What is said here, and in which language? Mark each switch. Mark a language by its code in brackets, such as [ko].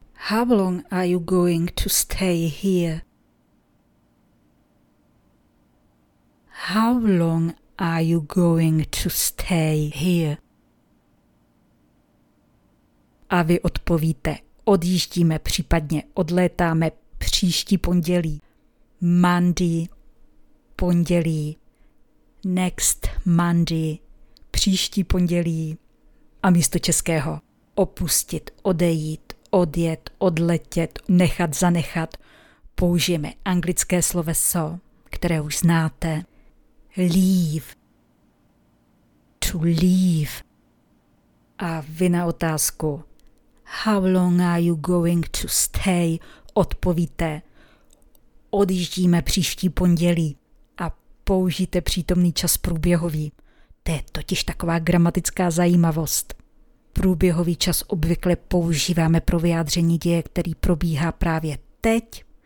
[en] How long are you going to stay here? How long are you going to stay here? [cs] A vy odpovíte, odjíždíme, případně odlétáme příští pondělí. [en] Monday, [cs] pondělí. [en] Next Monday, [cs] příští pondělí. A místo českého opustit, odejít, odjet, odletět, nechat, zanechat. Použijeme anglické sloveso, které už znáte. [en] Leave. To leave. [cs] A vy na otázku, [en] how long are you going to stay? [cs] Odpovíte, odjíždíme příští pondělí. A použijte přítomný čas průběhový. To je totiž taková gramatická zajímavost. Průběhový čas obvykle používáme pro vyjádření děje, který probíhá právě teď.